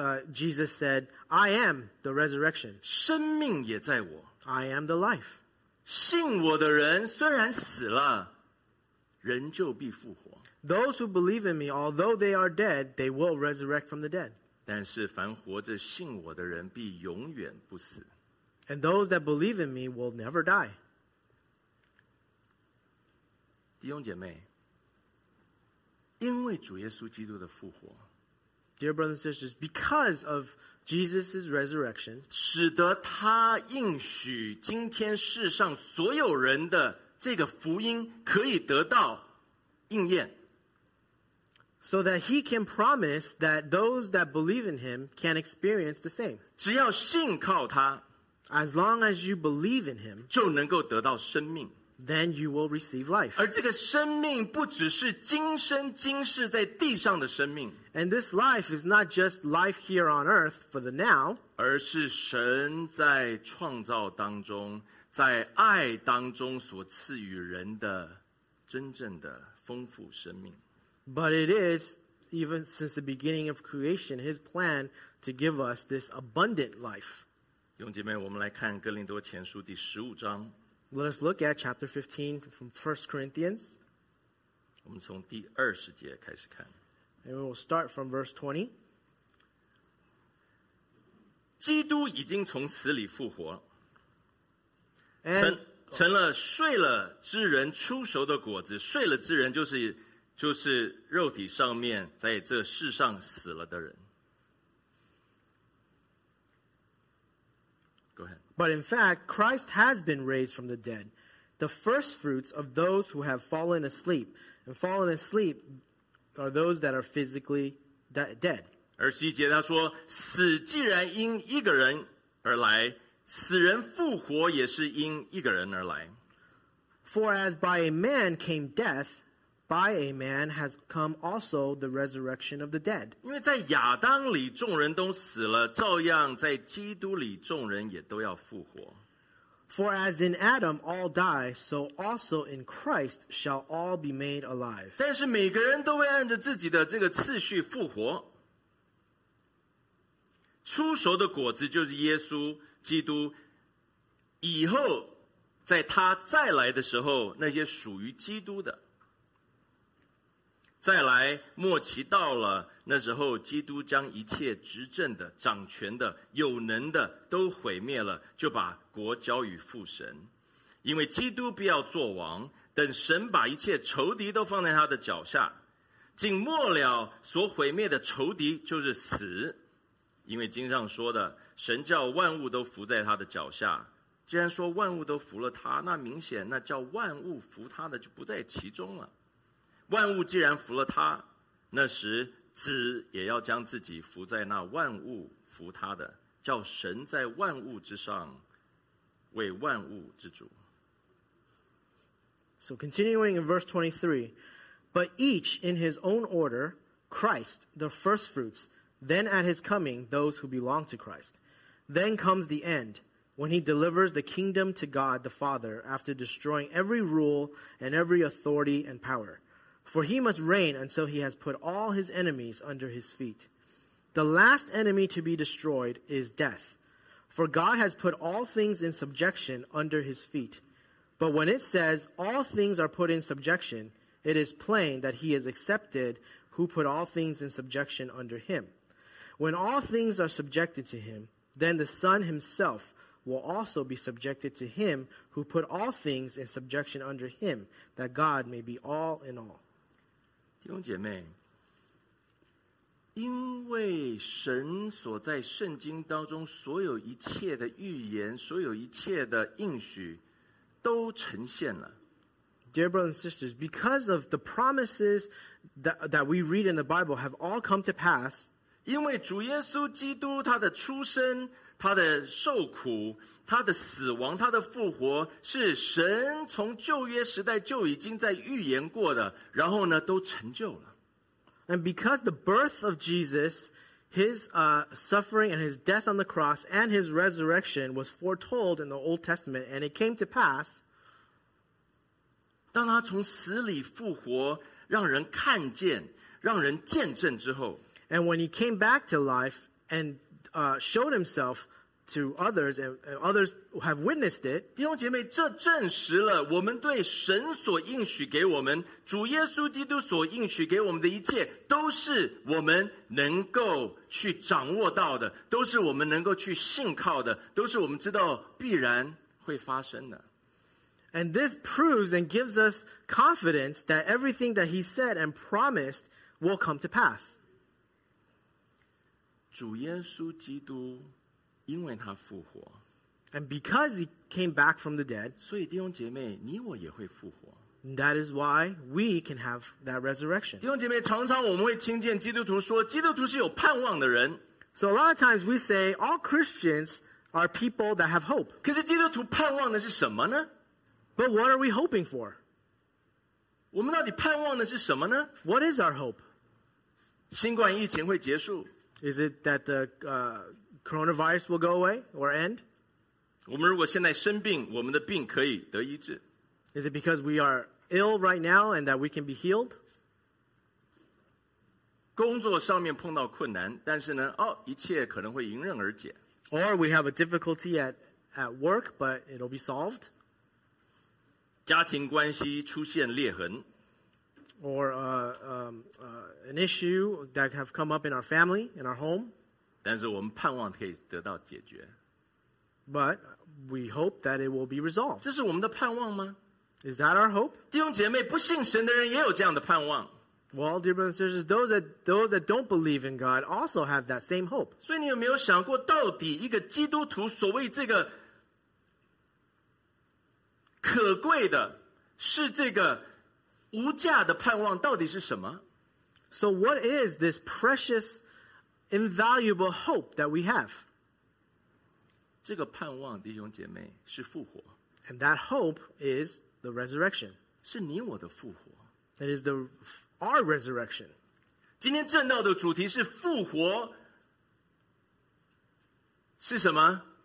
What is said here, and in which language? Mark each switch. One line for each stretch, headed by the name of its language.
English: Jesus said, I am the resurrection.
Chinese: 生命也在我。
English: I am the life.
Chinese: 信我的人虽然死了，仍旧必复活。
English: Those who believe in me, although they are dead, they will resurrect from the dead.
Chinese: 但是凡活着信我的人必永远不死。
English: And those that believe in me will never die.
Chinese: 弟兄姐妹，因为主耶稣基督的复活，
English: Dear brothers and sisters, because of Jesus' resurrection,
Chinese: 使得他应许今天世上所有人的这个福音可以得到应验。
English: So that he can promise that those that believe in him can experience the same.
Chinese: 只要信靠他，
English: As long as you believe in him,
Chinese: 就能够得到生命。
English: Then you will receive life.
Chinese: 而这个生命不只是今生今世在地上的生命。
English: And this life is not just life here on earth for the now.
Chinese: 而是神在创造当中，在爱当中所赐予人的真正的丰富生命。
English: But it is, even since the beginning of creation, his plan to give us this abundant life.
Chinese: 弟兄姐妹，我们来看哥林多前书第十五章。
English: Let us look at chapter 15 from 1 Corinthians.
Chinese: 我们从第二十节开始看。
English: And we will start from verse 20.
Chinese: 基督已经从死里复活，成了睡了之人出熟的果子。睡了之人就是肉体上面在这世上死了的人。
English: Go ahead. But in fact, Christ has been raised from the dead, the first fruits of those who have fallen asleep. And fallen asleep are those that are physically dead.
Chinese: 而第一节他说，死既然因一个人而来，死人复活也是因一个人而来。
English: For as by a man came death,By a man has come also the resurrection of the dead.
Chinese: 因为在亚当里众人都死了，照样在基督里众人也都要复活。
English: For as in Adam all die, so also in Christ shall all be made alive.
Chinese: 但是每个人都会按着自己的这个次序复活。出熟的果子就是耶稣基督，以后在他再来的时候，那些属于基督的再来，末期到了，那时候基督将一切执政的、掌权的、有能的都毁灭了，就把国交与父神。因为基督必要作王，等神把一切仇敌都放在他的脚下，进末了所毁灭的仇敌就是死，因为经上说的，神叫万物都伏在他的脚下。既然说万物都服了他，那明显那叫万物服他的就不在其中了。万物既然服了他，那时子也要将自己服在那万物服他的，叫神在万物之上为万物之主。
English: So continuing in verse 23, but each in his own order, Christ the first fruits, then at his coming those who belong to Christ, then comes the end, when he delivers the kingdom to God the Father after destroying every rule and every authority and power. For he must reign until he has put all his enemies under his feet. The last enemy to be destroyed is death. For God has put all things in subjection under his feet. But when it says all things are put in subjection, it is plain that he has accepted who put all things in subjection under him. When all things are subjected to him, then the Son himself will also be subjected to him who put all things in subjection under him, that God may be all in all.
Chinese: 弟兄姐妹，因为神所在圣经当中所有一切的预言，所有一切的应许都呈现了。
English: Dear brothers and sisters, because of the promises that we read in the Bible have all come to pass,
Chinese: 因为主耶稣基督他的出生，他的受苦，他的死亡，他的复活，是神从旧约时代就已经在预言过的，然后呢，都成就了。
English: And because the birth of Jesus, his suffering and his death on the cross and his resurrection was foretold in the Old Testament, and it came to pass,
Chinese: 当他从死里复活，让人看见，让人见证之后，
English: And when he came back to life andshowed himself to others and others have witnessed it.
Chinese: 弟兄姐妹，这证实了我们对神所应许给我们，主耶稣基督所应许给我们的一切，都是我们能够去掌握到的，都是我们能够去信靠的，都是我们知道必然会发生的。
English: And this proves and gives us confidence that everything that he said and promised will come to pass.
Chinese: 主耶稣基督因为他复活，
English: And because he came back from the dead,
Chinese: 所以弟兄姐妹，你我也会复活。
English: That is why we can have that resurrection.
Chinese: 弟兄姐妹，常常我们会听见基督徒说，基督徒是有盼望的人。
English: So a lot of times we say, all Christians are people that have hope.
Chinese: 可是基督徒盼望的是什么呢？
English: But what are we hoping for?
Chinese: 我们到底盼望的是什么呢？
English: What is our hope?
Chinese: 新冠疫情会结束。
English: Is it that the coronavirus will go away or end?
Chinese: 我们如果现在生病，我们的病可以得医治。
English: Is it because we are ill right now and that we can be healed?
Chinese: 工作上面碰到困难，但是呢，哦，一切可能会迎刃而解。
English: Or we have a difficulty at work, but it'll be solved.
Chinese: 家庭关系出现裂痕。
English: Or an issue that have come up in our family, in our home.
Chinese: 但是我们盼望可以得到解决。
English: But we hope that it will be resolved.
Chinese: 这是我们的盼望吗？
English: Is that our hope?
Chinese: 弟兄姐妹，不信神的人也有这样的盼望。
English: Well, dear brothers and sisters, those that don't believe in God also have that same hope.
Chinese: 所以你有没有想过，到底一个基督徒所谓这个可贵的，是这个无价的盼望到底是什么？
English: So what is this precious, invaluable hope that we have?
Chinese: 这个盼望，弟兄姐妹，是复活。
English: And that hope is the resurrection.
Chinese: 是你我的复活。
English: It is our resurrection.
Chinese: 今天正道的主题是复活，是什么？